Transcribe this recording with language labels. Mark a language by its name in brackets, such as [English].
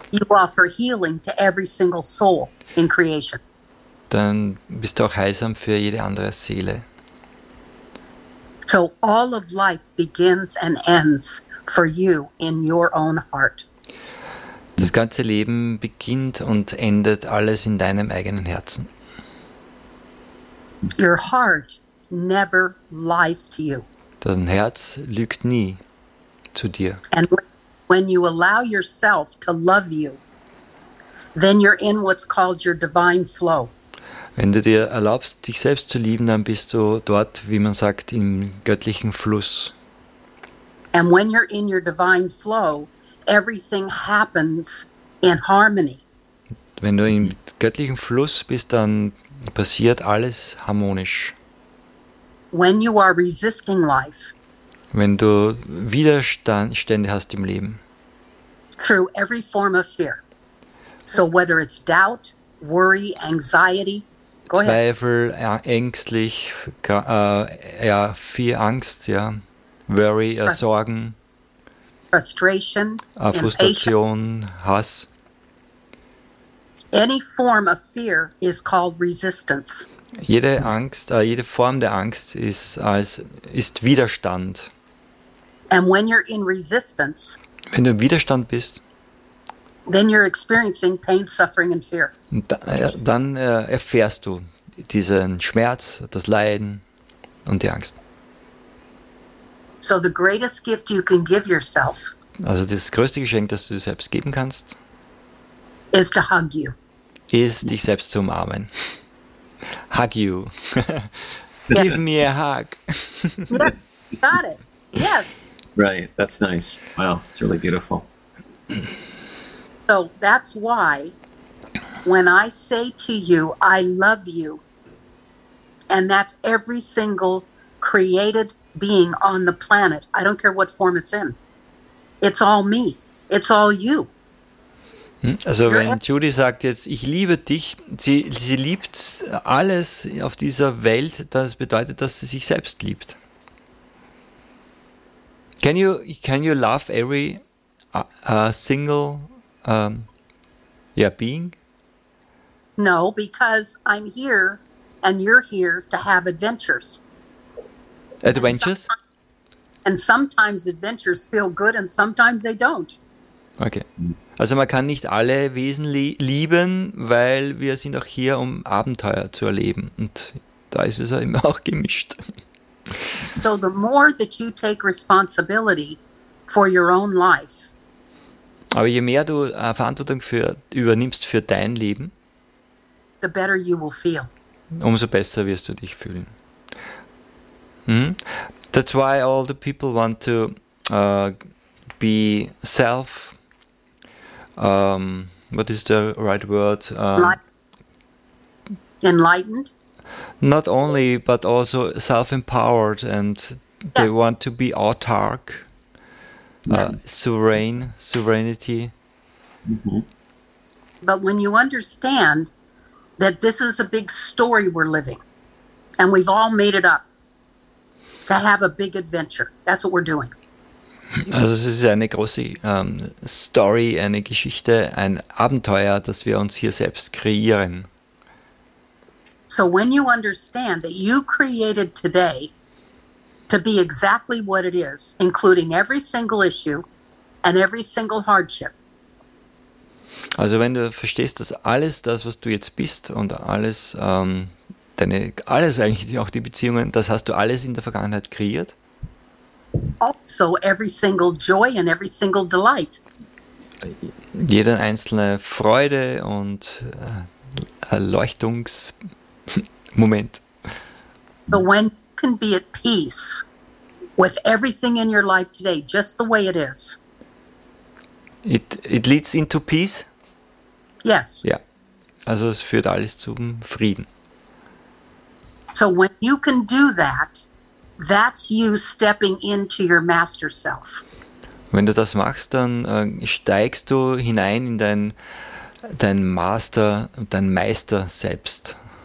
[English] you offer healing to every single soul in creation. [German] Dann bist du auch heilsam für jede andere Seele. [English] So all of life begins and ends for you in your own heart. [German] Das ganze Leben beginnt und endet alles in deinem eigenen Herzen. [English] Your heart never lies to you. [German] Dein Herz lügt nie zu dir. [English] And when you allow yourself to love you, then you're in what's called your divine flow. [German] Wenn du dir erlaubst, dich selbst zu lieben, dann bist du dort, wie man sagt, im göttlichen Fluss. [English] And when you're in your divine flow, everything happens in harmony. [German] Wenn du im göttlichen Fluss bist, dann passiert alles harmonisch. [English] When you are resisting life, [German] wenn du Widerstände hast im Leben, [English] through every form of fear, so whether it's doubt, worry, anxiety, go [German] Zweifel, [English] ahead. [German] Ängstlich, viel Angst, ja, worry, Sorgen, [English] frustration, [German] Frustration, impatient. Hass. [English] Any form of fear is called resistance. [German] Jede Angst, jede Form der Angst ist Widerstand. [English] And when you're in resistance, [German] wenn du im Widerstand bist, [English] then you're experiencing pain, suffering and fear. [German] Dann erfährst du diesen Schmerz, das Leiden und die Angst. [English] So the greatest gift you can give yourself, [German] also das größte Geschenk, das du dir selbst geben kannst, [English] is to hug you. [German] Ist dich selbst zu umarmen. [English] Hug you. Give me a hug. Yeah, got it. Yes. Right, that's nice. Wow, it's really beautiful. So that's why when I say to you, I love you, and that's every single created being on the planet, I don't care what form it's in. It's all me. It's all you. [German] Also wenn Judy sagt jetzt, ich liebe dich, sie liebt alles auf dieser Welt, das bedeutet, dass sie sich selbst liebt. [English] Can you love every single being? No, because I'm here and you're here to have adventures. Adventures? And sometimes adventures feel good and sometimes they don't. Okay. [German] Also man kann nicht alle Wesen lieben, weil wir sind auch hier, um Abenteuer zu erleben. Und da ist es ja immer auch gemischt. [English] So the more that you take responsibility for your own life. [German] Aber je mehr du Verantwortung übernimmst für dein Leben, [English] the better you will feel. [German] Umso besser wirst du dich fühlen. [English] That's why all the people want to be self. What is the right word? Enlightened. Not only, but also self-empowered, and yes, they want to be autark, yes, sovereignty. Mm-hmm. But when you understand that this is a big story we're living, and we've all made it up to have a big adventure, that's what we're doing. [German] Also es ist eine große Story, eine Geschichte, ein Abenteuer, das wir uns hier selbst kreieren. [English] So when you understand that you created today to be exactly what it is, including every single issue and every single hardship. [German] Also wenn du verstehst, dass alles das, was du jetzt bist und alles, alles eigentlich, auch die Beziehungen, das hast du alles in der Vergangenheit kreiert. [English] Also every single joy and every single delight. [German] Jede einzelne Freude und Erleuchtungs Moment. [English] But when you can be at peace with everything in your life today, just the way it is. It leads into peace? Yes. [German] Yeah. Also es führt alles zum Frieden. [English] So when you can do that, that's you stepping into your master self. [German] Wenn du das machst, dann steigst du hinein in dein Master, dein Meister selbst.